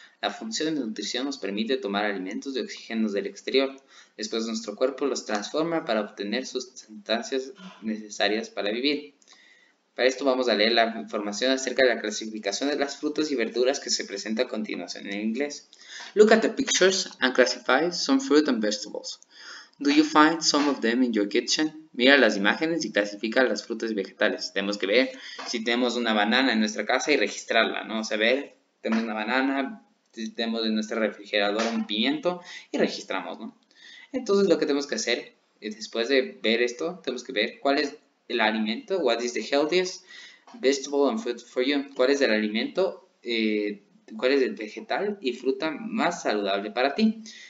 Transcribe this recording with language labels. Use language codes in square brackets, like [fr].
[es] La función de nutrición nos permite tomar alimentos y oxígenos del exterior. Después nuestro cuerpo los transforma para obtener sustancias necesarias para vivir. Para esto vamos a leer la información acerca de la clasificación de las frutas y verduras que se presenta a continuación en inglés. [en] Look at the pictures and classify some fruit and vegetables. Do you find some of them in your kitchen? [es] Mira las imágenes y clasifica las frutas y vegetales. Tenemos que ver si tenemos una banana en nuestra casa y registrarla, ¿no? O sea, ver, tenemos una banana, si tenemos en nuestro refrigerador un pimiento y registramos, ¿no? Entonces, lo que tenemos que hacer, después de ver esto, tenemos que ver cuál es el alimento, [en] what is the healthiest vegetable and fruit for you, [es] cuál es el alimento, cuál es el vegetal y fruta más saludable para ti.